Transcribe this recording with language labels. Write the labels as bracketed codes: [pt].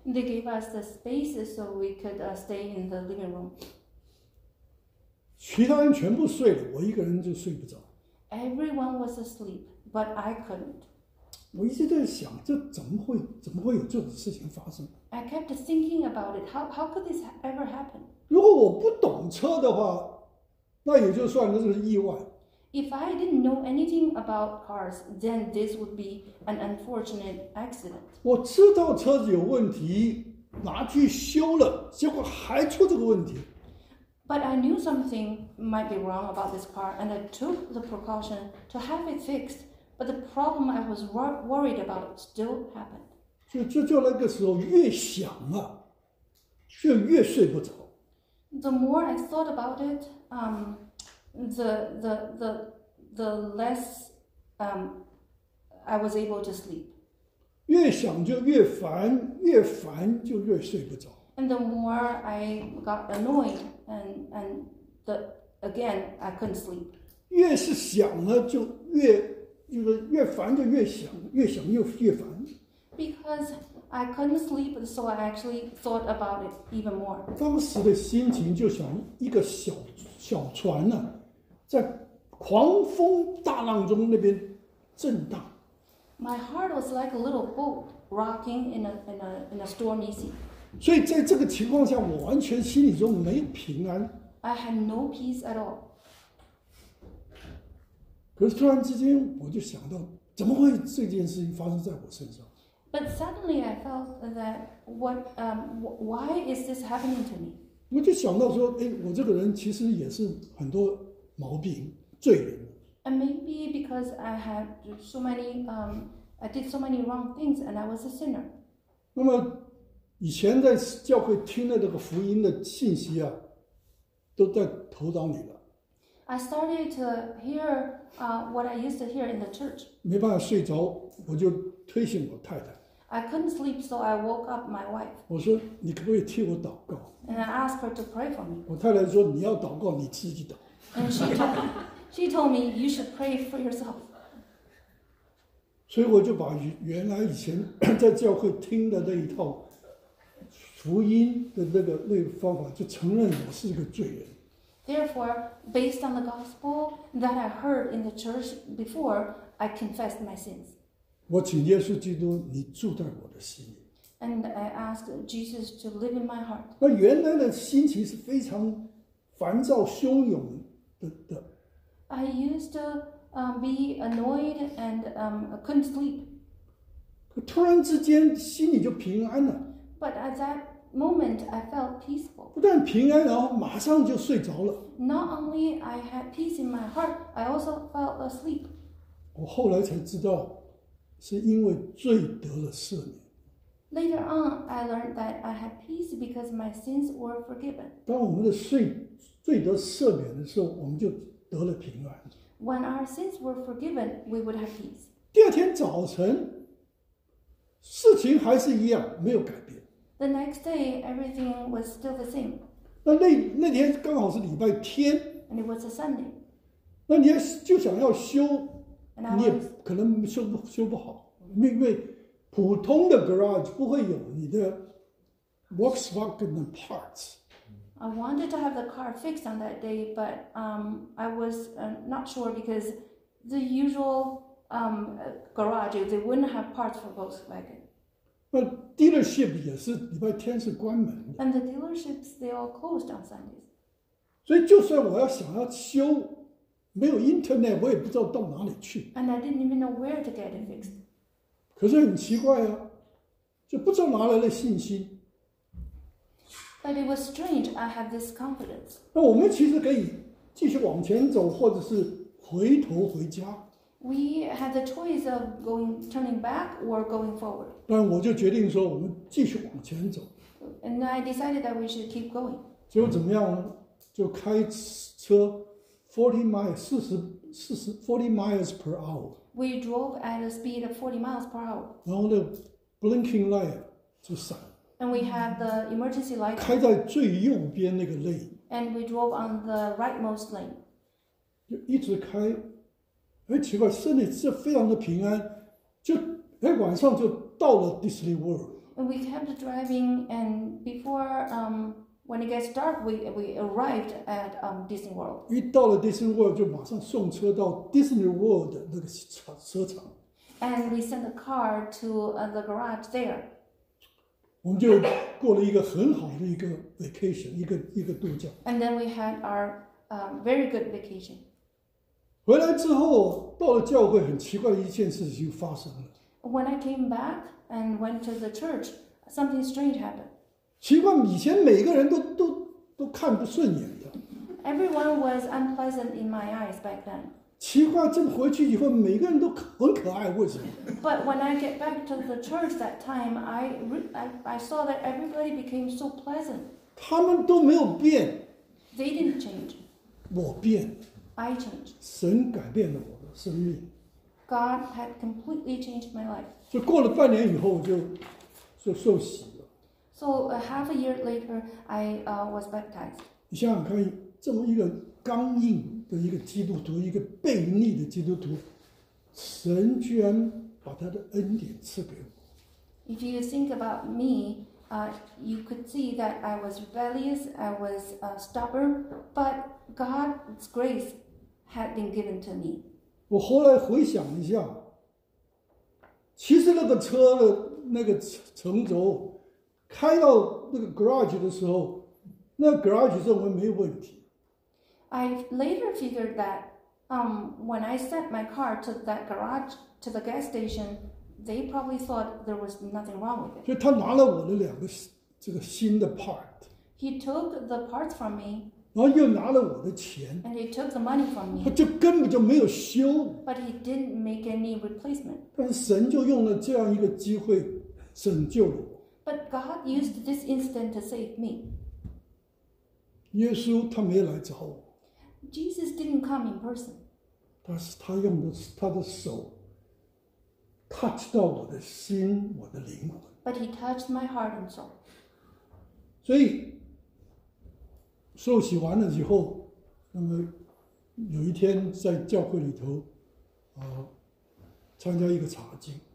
[en] They gave us the space so we could stay in the living room. [zh] 其他人全部睡了，我一个人就睡不着。 [en] Everyone was asleep, but I couldn't. [zh] 我一直在想，这怎么会有这种事情发生？ [en] I kept thinking about it. How could this ever happen? [zh] 如果我不懂车的话，那也就算了，这是意外。 [en] If I didn't know anything about cars, then this would be an unfortunate accident. [zh] 我知道车子有问题，拿去修了，结果还出这个问题。 [en] But I knew something might be wrong about this car, and I took the precaution to have it fixed. But the problem I was worried about still happened. [zh] 就那个时候越想啊，就越睡不着。 [en] The more I thought about it, the less I was able to sleep. [zh] 越想就越烦，越烦就越睡不着。 [en] And the more I got annoyed, and the again I couldn't sleep. [zh] 越是想了就越就是越烦就越想，越想又越烦。 [en] Because I couldn't sleep, so I actually thought about it even more. [zh] 当时的心情就像一个小船呢、啊，在狂风大浪中那边震荡。 [en] My heart was like a little boat rocking in a stormy sea. [zh] 所以在这个情况下，我完全心里中没平安。 [en] I had no peace at all. [zh] 可是突然之间，我就想到，怎么会这件事情发生在我身上？ [en] But suddenly I felt that why is this happening to me? [zh] 我就想到说，哎，我这个人其实也是很多毛病，罪人。 [en] And maybe because I had so many, I did so many wrong things, and I was a sinner. [zh] 那么以前在教会听的这个福音的信息啊，都在头脑里了。 [en] I started to hear what I used to hear in the church. [zh] 没办法睡着，我就。推醒我太太。 [en] I couldn't sleep, so I woke up my wife. [zh] 我说你可不可以替我祷告 [en] ？And I asked her to pray for me. [zh] 我太太说你要祷告你自己祷。 [en] And she told me you should pray for yourself. [zh] 所以我就把原来以前在教会听的那一套福音的那个方法，就承认我是一个罪人。 [en] Therefore, based on the gospel that I heard in the church before, I confessed my sins. [zh] 我请耶稣基督，你住在我的心里。 [en] And I ask Jesus to live in my heart. [zh] 那原来的心情是非常烦躁、汹涌的。 [en] I used to be annoyed and couldn't sleep. [zh] 可突然之间，心里就平安了。 [en] But at that moment, I felt peaceful. [zh] 不但平安，然后马上就睡着了。 [en] Not only I had peace in my heart, I also felt asleep. [zh] 我后来才知道。是因为罪得了赦免。 [en] Later on, I learned that I had peace because my sins were forgiven. [zh] 当我们的罪得赦免的时候，我们就得了平安。 [en] When our sins were forgiven, we would have peace. [zh] 第二天早晨，事情还是一样，没有改变。 [en] The next day, everything was still the same. [zh] 那天刚好是礼拜天。 [en] And it was a Sunday. [zh] 那你就想要修，你也可能修不好，因为普通的 garage 不会有你的 [en] Volkswagen parts。 I wanted to have the car fixed on that day, but I was not sure because the usual garage, they wouldn't have parts for Volkswagen. But dealership [zh] 也是礼拜天是关门的。 [en] And the dealerships, they all closed on Sundays. [zh] 所以就算我要想要修，没有 internet, 我也不知道到哪里去。 [en] And I didn't even know where to get it fixed. [zh] 可是很奇怪啊，就不知道哪来的信心。 [en] But it was strange, I have this confidence. [zh] 那我们其实可以继续往前走，或者是回头回家。 [en] We had the choice of turning back or going forward. [zh] 但我就决定说我们继续往前走。 [en] And I decided that we should keep going. [zh] 结果怎么样呢？就开车 [en] 40 miles per hour. We drove at a speed of 40 miles per hour. [zh] 然后那 [en] blinking light [zh] 就闪。 [en] And we have the emergency light. [zh] 开在最右边那个 lane. [en] And we drove on the rightmost lane. [zh] 就一直开，哎，奇怪，心里是非常的平安，就哎晚上就到了 Disney World. [en] And we kept driving, and before when it gets dark, we arrived at Disney World. [zh] 一到了 Disney World, 就马上送车到 Disney World 的那个车场。 [en] And we sent the car to the garage there. [zh] 我们就过了一个很好的一个 vacation, 一个度假。 [en] And then we had our very good vacation. [zh] 回来之后，到了教会，很奇怪的一件事情发生了。 [en] When I came back and went to the church, something strange happened. [zh] 奇怪，以前每个人都看不顺眼的。 [en] Everyone was unpleasant in my eyes back then. [zh] 奇怪，这么回去以后，每个人都很可爱，为什么？ [en] But when I get back to the church that time, I saw that everybody became so pleasant. [zh] 他们都没有变。 [en] They didn't change. [zh] 我变。 [en] I changed. [zh] 神改变了我的生命。 [en] God had completely changed my life. [zh] 就过了半年以后，我就受洗了。 [en] So half a year later, I was baptized. [zh] 你想想看，这么一个刚硬的一个基督徒，一个悖逆的基督徒，神居然把他的恩典赐给我。 [en] If you think about me, you could see that I was rebellious, I was stubborn, but God's grace had been given to me. [zh] 我后来回想一下，其实那个车的那个乘轴开到那个 garage 的时候，那 garage 认为没有问题。 [en] I later figured that when I sent my car to that garage, to the gas station, they probably thought there was nothing wrong with it. [zh] 就他拿了我的两个这个新的 part. [en] He took the parts from me. [zh] 然后又拿了我的钱。 [en] And he took the money from me. [zh] 他就根本就没有修。 [en] But he didn't make any replacement. [zh] 但是神就用了这样一个机会拯救了我。 [en] But God used this incident to save me. [zh] 耶稣他没来找我。 [en] Jesus didn't come in person. [zh] 但是他用的是他的手 touch 到我的心，我的灵魂。 [en] But he touched my heart and soul. [zh] 所以受洗完了以后，那么有一天在教会里头，参加一个查经。